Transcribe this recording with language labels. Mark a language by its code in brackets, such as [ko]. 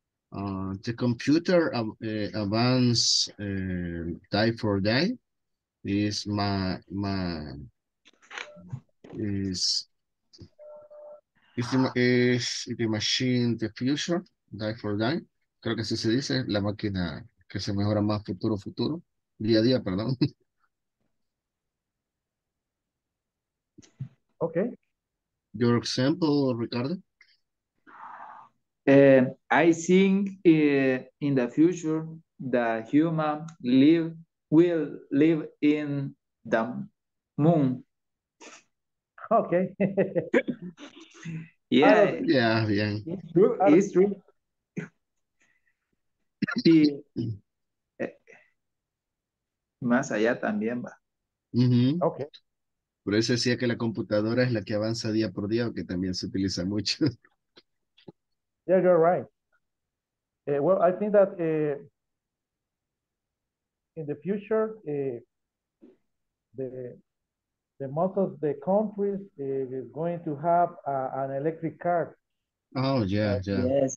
[en] The computer advance day for day is the machine the future day for day. [es] Creo que así se dice, la máquina que se mejora más futuro, día a día, perdón. [en] Okay. Your example, Ricardo. I think in the future, the human will live in the moon. Okay. Yeah. It's true. [es] Y más allá también va. Uh-huh. [en] Okay. [es] Por eso decía que la computadora es la que avanza día por día, que también se utiliza mucho. [en] Yeah, you're right. Well, I think that in the future, the most of the countries is going to have an electric car. Oh, yeah.